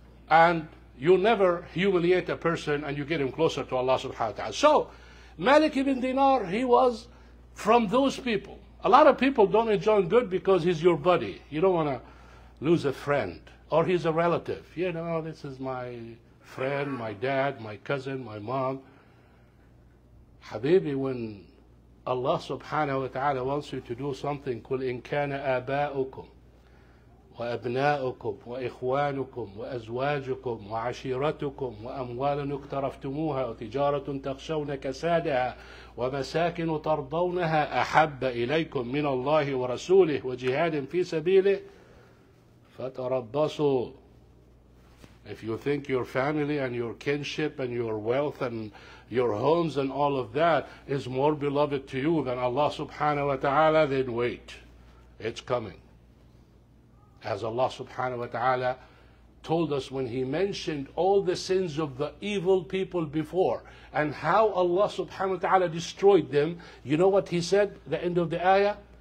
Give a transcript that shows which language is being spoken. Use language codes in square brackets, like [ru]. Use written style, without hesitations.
[en] And you never humiliate a person and you get him closer to Allah subhanahu wa ta'ala. So Malik ibn Dinar, he was from those people. A lot of people don't enjoy good because he's your buddy. You don't want to lose a friend or he's a relative. You know, this is my friend, my dad, my cousin, my mom. Habibi, when Allah subhanahu wa ta'ala wants you to do something, [ar] قُلْ إِنْ كَانَ آبَاؤُكُمْ وَأَبْنَاؤُكُمْ وَإِخْوَانُكُمْ وَأَزْوَاجُكُمْ وَعَشِيرَتُكُمْ وَأَمْوَالٌ اقْتَرَفْتُمُوهَا وَتِجَارَةٌ تَخْشَوْنَ كَسَادَهَا وَمَسَاكِنُ تَرْضَوْنَهَا أَحَبَّ إِلَيْكُمْ مِنَ اللَّهِ وَرَسُولِهِ وَجِهَادٍ فِي سَبِيلِهِ فَتَرَبَّصُوا. [en] If you think your family and your kinship and your wealth and your homes and all of that is more beloved to you than Allah subhanahu wa ta'ala, then wait. It's coming. As Allah subhanahu wa ta'ala told us when He mentioned all the sins of the evil people before and how Allah subhanahu wa ta'ala destroyed them, you know what He said at the end of the ayah?